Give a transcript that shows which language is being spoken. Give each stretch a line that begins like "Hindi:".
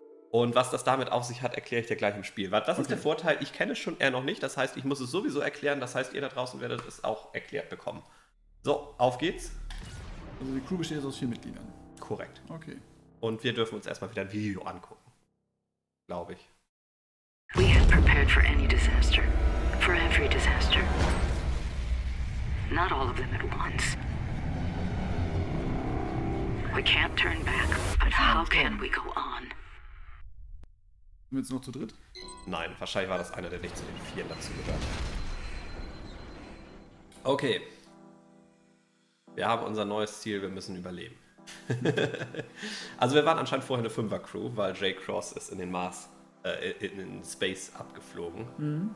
German: Und was das damit auf sich hat, erkläre ich dir gleich im Spiel. Weil das ist der Vorteil, ich kenne es schon eher noch nicht, das heißt, ich muss es sowieso erklären, das heißt, ihr da draußen werdet es auch erklärt bekommen. So, auf geht's. Also die Crew besteht aus 4 Mitgliedern. Korrekt. Okay. Und wir dürfen uns erstmal wieder ein Video angucken. Glaube ich.
English: We have prepared for any disaster, for every disaster. Not all of them at once. We can't turn back, but how can we go on?
German: Sind wir jetzt noch zu dritt? Nein, wahrscheinlich war das einer, der nicht zu den 4 dazu gehört. Okay. Wir haben unser neues Ziel, wir müssen überleben. Also wir waren anscheinend vorher eine 5er-Crew, weil Jay Cross ist in den Mars, in Space abgeflogen. Mhm.